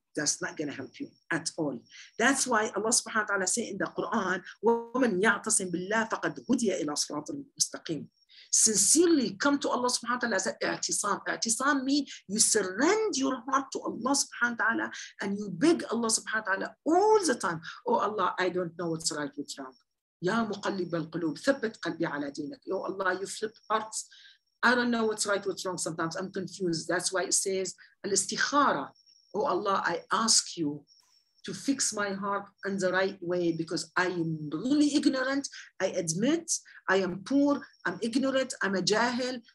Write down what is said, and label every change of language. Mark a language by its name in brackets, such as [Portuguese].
[English] That's not gonna help you at all. That's why Allah subhanahu wa ta'ala say in the Quran, [Arabic] وَمَنْ يَعْتَصِمْ بِاللَّهِ فَقَدْ هُدِيَ إِلَى صِرَاطٍ مُسْتَقِيمٍ. [English] Sincerely come to Allah subhanahu wa ta'ala as i'tisam. I'tisam means you surrender your heart to Allah subhanahu wa ta'ala and you beg Allah subhanahu wa ta'ala all the time. Oh Allah, I don't know what's right, what's wrong. [Arabic] يا مقلب القلوب ثبت قلبي على دينك. [English] Oh Allah, you flip hearts. I don't know what's right, what's wrong. Sometimes I'm confused. That's why it says al-istikhara. Oh Allah, I ask you to fix my heart in the right way because I am really ignorant. I admit I am poor. I'm ignorant. I'm a jahil.